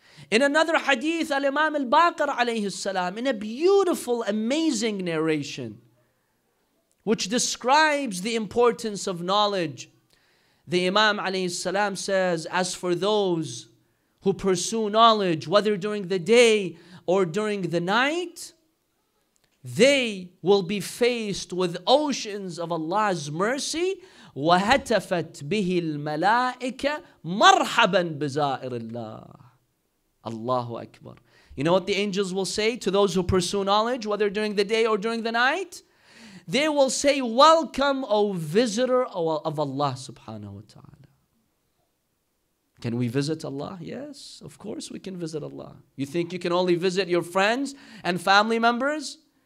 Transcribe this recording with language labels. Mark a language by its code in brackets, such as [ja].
[en] In another hadith, Al-Imam Al-Baqir alayhi salam, in a beautiful, amazing narration, which describes the importance of knowledge, the Imam alayhi salam says, as for those who pursue knowledge, whether during the day or during the night, they will be faced with oceans of Allah's mercy. [ar] وَهَتَفَتْ بِهِ الْمَلَائِكَ مَرْحَبًا بِزَائِرِ اللَّهِ Allahu Akbar. [en] You know what the angels will say to those who pursue knowledge, whether during the day or during the night? They will say, welcome, O visitor of Allah subhanahu wa ta'ala. Can we visit Allah? Yes, of course we can visit Allah. You think you can only visit your friends and family members?